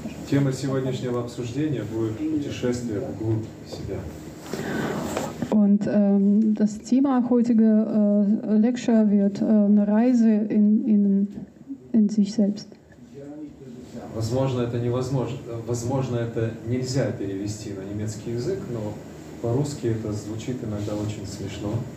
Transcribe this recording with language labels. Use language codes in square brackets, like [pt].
[ru] Тема сегодняшнего обсуждения будет путешествие вглубь себя. [de] Und das Thema heutige Lecture wird eine Reise in sich selbst. [ru] Возможно, это невозможно. Возможно, это нельзя перевести на немецкий язык, но по-русски это звучит иногда очень смешно.